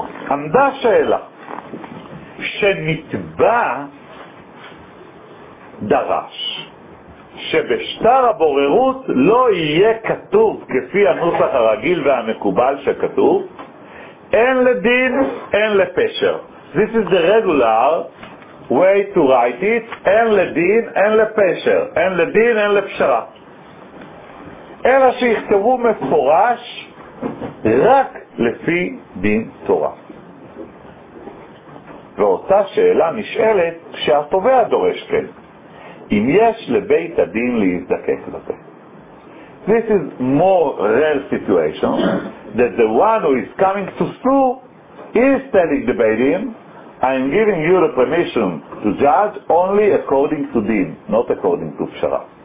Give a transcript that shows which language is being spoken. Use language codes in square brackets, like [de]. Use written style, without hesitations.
[he] Amda she'ela she'nitba darash שבשטר הבוררות לא יהיה כתוב כפי הנוסח הרגיל והמקובל שכתוב אין לדין, אין לפשר. [en] This is the regular way to write it. [he] אין לדין, אין לפשר. אין לדין, אין לפשרה. אלא שיכתבו מפורש רק לפי דין תורה. ואותה שאלה נשאלת שהתובע דורש כן. אם יש לבית הדין להזדקק לזה. [en] This is more real situation that the one who is coming to sue is telling the Beit Din, I am giving you the permission to judge only according to din, not according to pshara.